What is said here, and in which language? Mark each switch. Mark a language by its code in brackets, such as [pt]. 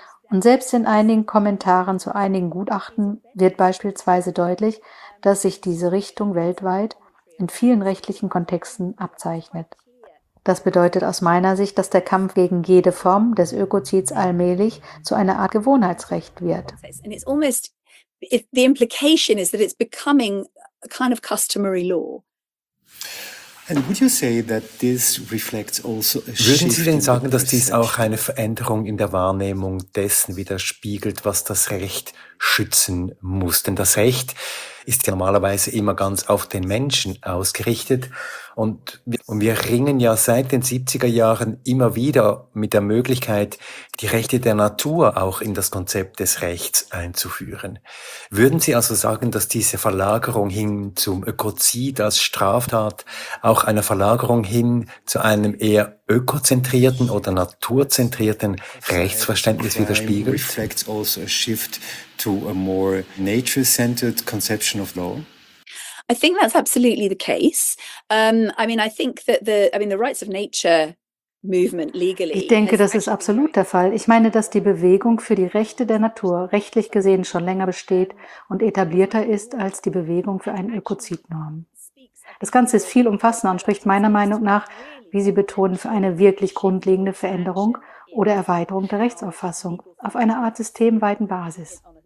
[de] Und selbst in einigen Kommentaren zu einigen Gutachten wird beispielsweise deutlich, dass sich diese Richtung weltweit in vielen rechtlichen Kontexten abzeichnet. Das bedeutet aus meiner Sicht, dass der Kampf gegen jede Form des Ökozids allmählich zu einer Art Gewohnheitsrecht wird. [en] And it's almost, the implication is that it's becoming a kind of customary law. And would you say that this reflects also a shift? [de] Würden Sie denn sagen, dass dies auch eine Veränderung in der Wahrnehmung dessen widerspiegelt, was das Recht schützen muss? Denn das Recht ist ja normalerweise immer ganz auf den Menschen ausgerichtet. Und wir ringen ja seit den 70er Jahren immer wieder mit der Möglichkeit, die Rechte der Natur auch in das Konzept des Rechts einzuführen. Würden Sie also sagen, dass diese Verlagerung hin zum Ökozid als Straftat auch einer Verlagerung hin zu einem eher ökozentrierten oder naturzentrierten Rechtsverständnis widerspiegelt? [en] It reflects also a shift to a more nature-centered conception of law. I think that's absolutely the case. I think the rights of nature movement legally. [de] Ich denke, das ist absolut der Fall. Ich meine, dass die Bewegung für die Rechte der Natur rechtlich gesehen schon länger besteht und etablierter ist als die Bewegung für einen Ökozidnorm. Das Ganze ist viel umfassender und spricht meiner Meinung nach, wie Sie betonen, für eine wirklich grundlegende Veränderung oder Erweiterung der Rechtsauffassung auf einer Art systemweiten Basis.